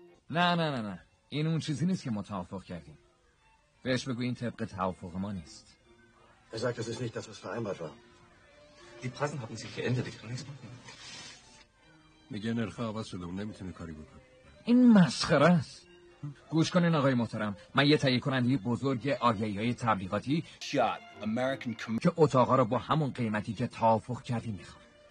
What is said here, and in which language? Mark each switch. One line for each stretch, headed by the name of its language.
Persian: نه، این اون چیزی نیست که ما توافق کردیم. بهش بگو این طبق توافق ما نیست.
German: Er sagt, das ist nicht das, was vereinbart war. Die Preisen haben sich geändert, ich kann nichts machen.
Persian: میگه نرخه عوض شده و نمیتونه کاری بکنه. این مسخره است. گوش کنین آقای محترم، من یه تهیه کننده بزرگ آگهی‌های تبلیغاتی شاد امریکن که اتاقا رو با همون قیمتی که توافق کردی میخوام.